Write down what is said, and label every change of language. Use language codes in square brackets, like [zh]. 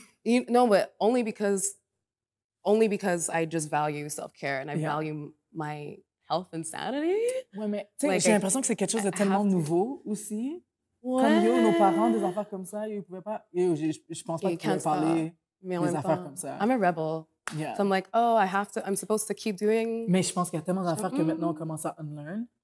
[en] but only because I just value self-care and I value my health and sanity. [fr] Ouais, mais tu sais, like, j'ai l'impression que c'est quelque chose de tellement nouveau aussi. [en] What? [fr] Comme nos parents, des affaires comme ça, ils pouvaient pas, je pense pas qu'ils pouvaient parler des affaires comme ça. [en] I'm a rebel. Yeah. So I'm like, oh, I'm supposed to keep doing. [fr] Mais je pense qu'il y a tellement d'affaires que maintenant on commence à unlearn.